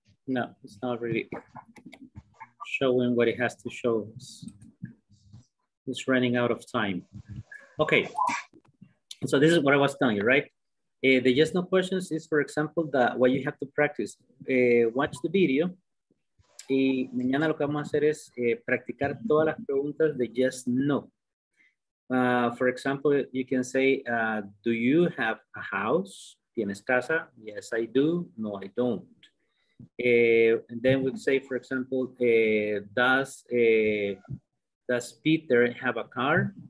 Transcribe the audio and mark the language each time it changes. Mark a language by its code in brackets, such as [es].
[en] No, it's not really showing what it has to show us. It's running out of time. Okay, so this is what I was telling you, right? The yes no questions is, for example, that what you have to practice. Watch the video. [es] Y mañana lo que vamos a hacer es practicar todas las preguntas de yes no. [en] For example, you can say, do you have a house? [es] ¿Tienes casa? [en] Yes, I do. No, I don't. And then we'd say, for example, does Peter have a car?